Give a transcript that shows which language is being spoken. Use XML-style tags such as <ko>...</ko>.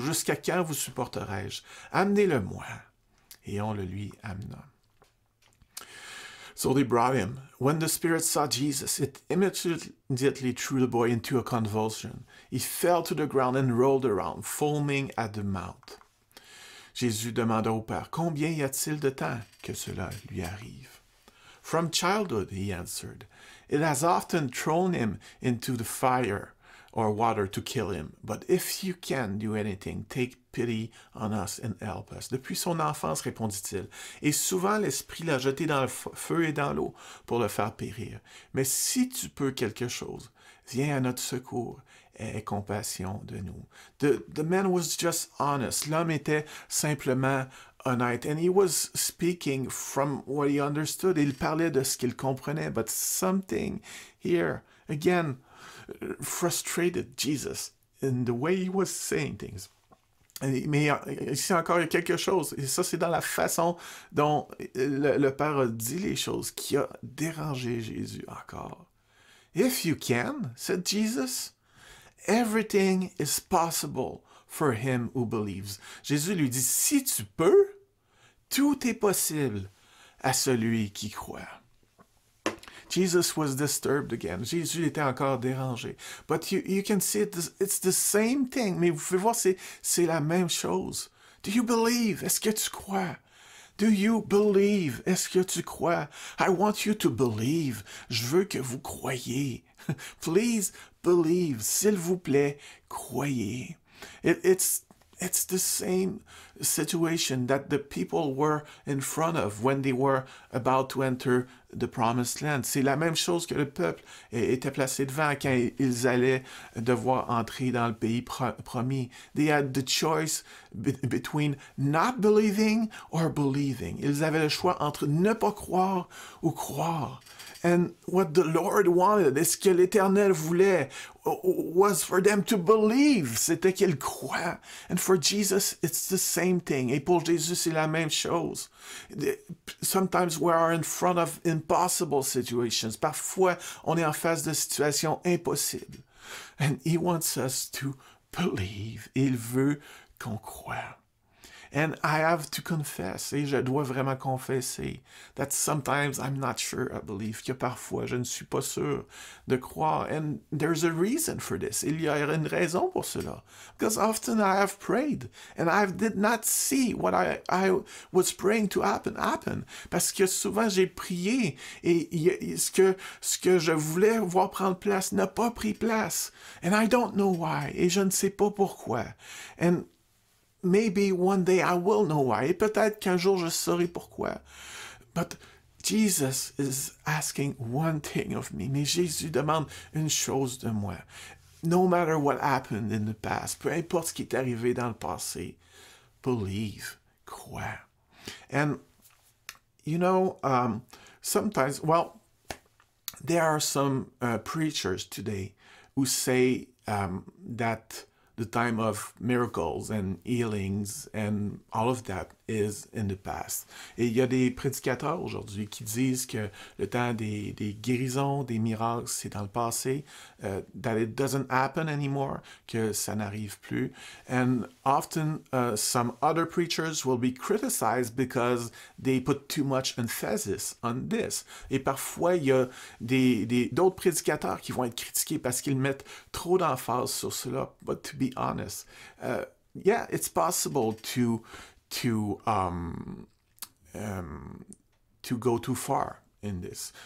<fr>Jusqu'à quand vous supporterai-je? Amenez-le-moi. Et on le lui amena.</fr> <en>So they brought him. When the spirit saw Jesus, it immediately threw the boy into a convulsion. He fell to the ground and rolled around, foaming at the mouth.</en> <fr>Jésus demanda au père, combien y a-t-il de temps que cela lui arrive?</fr> <en>From childhood, he answered, it has often thrown him into the fire or water to kill him. But if you can do anything, take pity on us and help us.</en> <fr>Depuis son enfance, répondit-il, et souvent l'esprit l'a jeté dans le feu et dans l'eau pour le faire périr. Mais si tu peux quelque chose, viens à notre secours et aie compassion de nous.</fr> <en>The man was just honest.</en> <fr>L'homme était simplement honnête.</fr> <en>And he was speaking from what he understood.</en> <fr>Il parlait de ce qu'il comprenait.</fr> <en>But something here, again, frustrated Jesus in the way he was saying things.</en> <fr>Mais ici encore, il y a quelque chose. Et ça, c'est dans la façon dont le Père a dit les choses qui a dérangé Jésus encore.</fr> <en>If you can, said Jesus, everything is possible for him who believes.</en> <fr>Jésus lui dit, si tu peux, tout est possible à celui qui croit.</fr> <en>Jesus was disturbed again.</en> <fr>Jésus était encore dérangé.</fr> <en>But you can see it's the same thing.</en> <fr>Mais vous pouvez voir, c'est la même chose.</fr> <en>Do you believe?</en> <fr>Est-ce que tu crois?</fr> <en>Do you believe?</en> <fr>Est-ce que tu crois?</fr> <en>I want you to believe.</en> <fr>Je veux que vous croyiez.</fr> <en>Please believe.</en> <fr>S'il vous plaît, croyez.</fr> <en>It's the same situation that the people were in front of when they were about to enter the promised land.</en> <fr>C'est la même chose que le peuple était placé devant quand ils allaient devoir entrer dans le pays promis.</fr> <en>They had the choice between not believing or believing.</en> <fr>Ils avaient le choix entre ne pas croire ou croire.</fr> <en>And what the Lord wanted,</en> <fr>ce que l'Éternel voulait,</fr> <en>was for them to believe.</en> <fr>C'était qu'ils croient.</fr> <en>And for Jesus, it's the same thing.</en> <fr>Et pour Jésus, c'est la même chose.</fr> <en>Sometimes we are in front of impossible situations.</en> <fr>Parfois, on est en face de situations impossibles.</fr> <en>And he wants us to believe.</en> <fr>Il veut qu'on croie.</fr> <en>And I have to confess,</en> <fr>et je dois vraiment confesser,</fr> <en>that sometimes I'm not sure I believe,</en> <fr>que parfois je ne suis pas sûr de croire.</fr> <en>And there's a reason for this. Il y a une raison pour cela. Because often I have prayed, and I did not see what I was praying to happen.</en> <fr>Parce que souvent j'ai prié, et ce que je voulais voir prendre place n'a pas pris place.</fr> <en>And I don't know why,</en> <fr>et je ne sais pas pourquoi.</fr> <en>And maybe one day I will know why.</en> <fr>Et peut-être qu'un jour je saurai pourquoi.</fr> <en>But Jesus is asking one thing of me.</en> <fr>Mais Jésus demande une chose de moi.</fr> <en>No matter what happened in the past,</en> <fr>peu importe ce qui est arrivé dans le passé,</fr> <en>believe,</en> <fr>crois.</fr> <en>And, you know, sometimes, well, there are some preachers today who say that the time of miracles and healings and all of that is in the past.</en> <fr>Et il y a des prédicateurs aujourd'hui qui disent que le temps des guérisons, des miracles, c'est dans le passé.</fr> <en>That it doesn't happen anymore,</en> <fr>que ça n'arrive plus.</fr> <en>And often some other preachers will be criticized because they put too much emphasis on this.</en> <fr>Et parfois, il y a d'autres prédicateurs qui vont être critiqués parce qu'ils mettent trop d'emphase sur cela.</fr> <en>But to be honest, yeah, it's possible to go too far in this.</en>